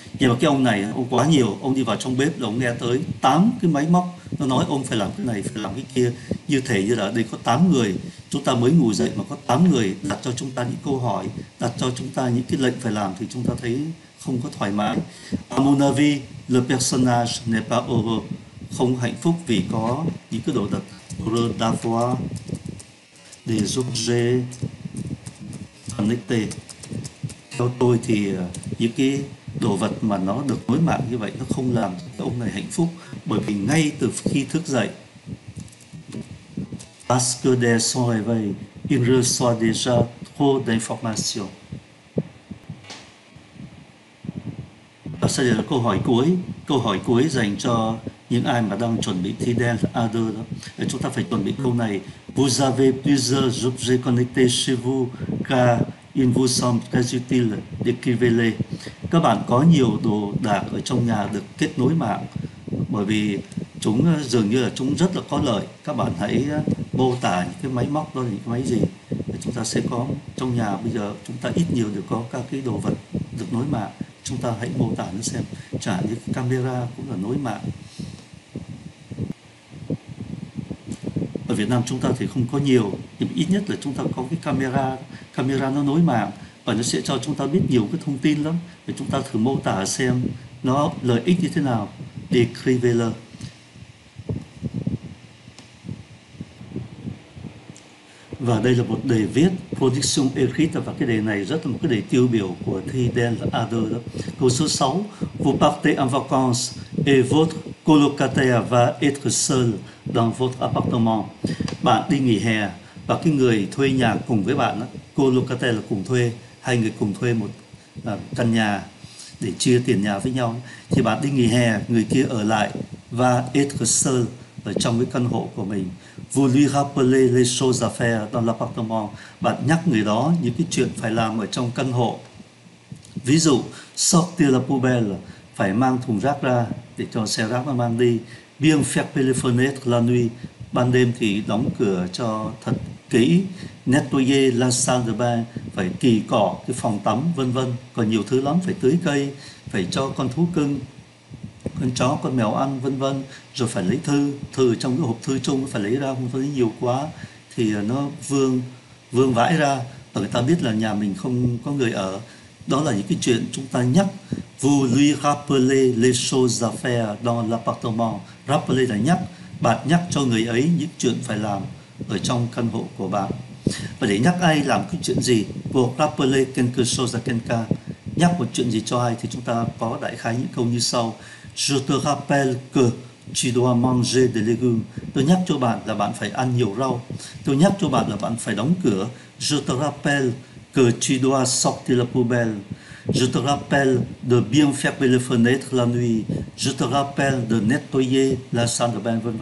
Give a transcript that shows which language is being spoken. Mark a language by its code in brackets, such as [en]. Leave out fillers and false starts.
[vi] Nhưng mà cái ông này, ông quá nhiều, ông đi vào trong bếp là ông nghe tới 8 cái máy móc, nó nói ông phải làm cái này, phải làm cái kia. Như thể như là đây có 8 người, chúng ta mới ngủ dậy mà có 8 người đặt cho chúng ta những câu hỏi, đặt cho chúng ta những cái lệnh phải làm thì chúng ta thấy không có thoải mái. [fr] À mon avis, le personnage n'est pas heureux, [vi] không hạnh phúc vì có những cái đồ đặt [fr] heureux d'avoir des objets connectés. [vi] Theo tôi thì những cái đồ vật mà nó được nối mạng như vậy nó không làm cho ông này hạnh phúc, bởi vì ngay từ khi thức dậy, [fr] parce que dès son réveil, il reçoit déjà trop d'informations. [vi] Và sau đây là câu hỏi cuối dành cho những ai mà đang chuẩn bị thi DELT A2 đó. Chúng ta phải chuẩn bị câu này. [fr] Vous avez plusieurs objets connectés chez vous car ils vous semblent très utiles, décrivez-les. [vi] Các bạn có nhiều đồ đạc ở trong nhà được kết nối mạng bởi vì chúng dường như là chúng rất là có lợi. Các bạn hãy mô tả những cái máy móc đó là những máy gì. Chúng ta sẽ có trong nhà bây giờ, chúng ta ít nhiều được có các cái đồ vật được nối mạng. Chúng ta hãy mô tả nó xem, chả như camera cũng là nối mạng. Ở Việt Nam chúng ta thì không có nhiều, nhưng ít nhất là chúng ta có cái camera nó nối mạng và nó sẽ cho chúng ta biết nhiều cái thông tin lắm. Và chúng ta thử mô tả xem nó lợi ích như thế nào. Decrivele. Và đây là một đề viết, production écrit, và cái đề này rất là một cái đề tiêu biểu của thi DELT A2 đó. Câu số 6, [fr] vous partez en vacances et votre colocataire va être seul dans votre appartement. [vi] Bạn đi nghỉ hè và cái người thuê nhà cùng với bạn, colocataire là cùng thuê, hai người cùng thuê một căn nhà để chia tiền nhà với nhau. Thì bạn đi nghỉ hè, người kia ở lại, [fr] va être seul, [vi] ở trong cái căn hộ của mình. [fr] Vous lui rappelez les choses à faire dans l'appartement. [vi] Bạn nhắc người đó những cái chuyện phải làm ở trong căn hộ. Ví dụ, [fr] sortir la poubelle, [vi] phải mang thùng rác ra để cho xe rác nó mang đi. [fr] Bien fermer les fenêtres la nuit, [vi] ban đêm thì đóng cửa cho thật kỹ. [fr] Nettoyer la salle de bain, [vi] phải kỳ cọ cái phòng tắm, vân vân. Còn nhiều thứ lắm, phải tưới cây, phải cho con thú cưng, con chó, con mèo ăn, vân vân. Rồi phải lấy thư, thư trong cái hộp thư chung phải lấy ra, không lấy nhiều quá thì nó vương vãi ra, người ta biết là nhà mình không có người ở. Đó là những cái chuyện chúng ta nhắc. [fr] Vous lui rappelez les choses à faire dans l'appartement. [vi] Rappeler là nhắc, bạn nhắc cho người ấy những chuyện phải làm ở trong căn hộ của bạn. Và để nhắc ai làm cái chuyện gì, [fr] vous rappelez quelque chose à quelqu'un, [vi] nhắc một chuyện gì cho ai, thì chúng ta có đại khái những câu như sau. [fr] Je te rappelle que tu dois manger des légumes. [vi] Tôi nhắc cho bạn là bạn phải ăn nhiều rau. Tôi nhắc cho bạn là bạn phải đóng cửa. [fr] Je te rappelle que tu dois sortir la poubelle. Je te rappelle de bien fermer les fenêtres la nuit. Je te rappelle de nettoyer la salle de bain, v.v.